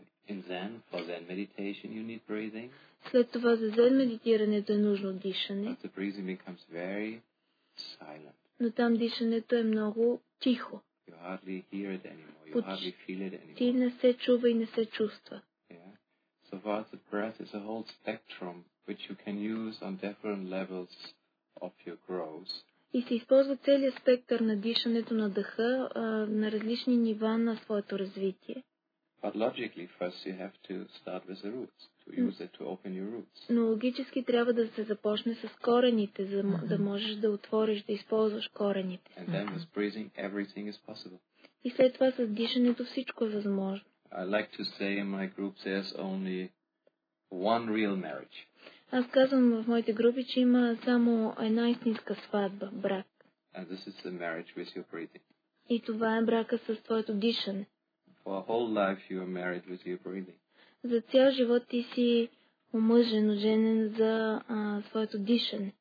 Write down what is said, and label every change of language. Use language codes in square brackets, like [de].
[en] And then for then meditation you need breathing. [bg] След това за Zen медитирането е нужно дишане. [en] But the breathing becomes very silent. [bg] Но там дишането е много тихо. [en] You hardly hear it anymore. You hardly feel it anymore. [bg] Ти не се чува и не се чувства. [en] So the breath is a whole spectrum which you can use on different levels of your growth. [bg] И се използва целият спектър на дишането на дъха на различни нива на своето развитие. [en] But logically, first you have to start with the roots, to use it to open your roots. [bg] Но логически трябва да се започне с корените, за да можеш да отвориш, да използваш корените. [en] And then with breathing, everything is possible. [bg] И след това с дишането всичко е възможно. [en] I like to say in my group there's only one real marriage. [bg] Аз казвам в моите групи, че има само една истинска сватба, брак. [en] And this is the marriage with your breathing. [bg] И това е брака с твоето дишане. [en] For a whole life you are married with your breathing. [bg] За цял живот ти си омъжен, оженен за своето дишане.